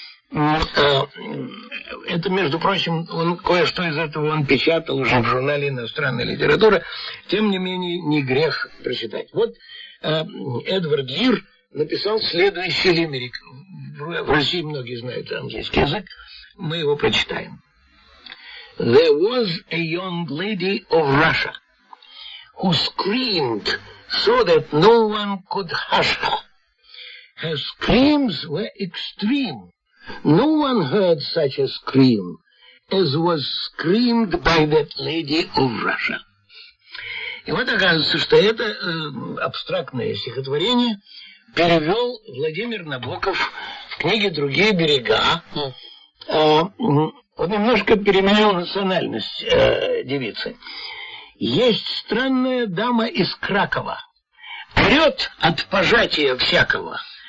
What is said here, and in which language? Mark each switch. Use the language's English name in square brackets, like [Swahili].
[Russian] Это, между прочим, он кое-что из этого он печатал уже в журнале «Иностранная литература». Тем не менее, не грех прочитать. Вот Эдвард Лир написал следующий лимерик. В России многие знают английский язык. Мы его прочитаем. [English] There was a young lady of Russia who screamed so that no one could hush her. Her screams were extreme. No one heard such a scream as was screamed by that lady of Russia. [Russian] И вот оказывается, что это абстрактное стихотворение перевел Владимир Набоков в книге «Другие берега». Он немножко переменил национальность девицы. Есть странная дама из Кракова. Орет от пожатия всякого.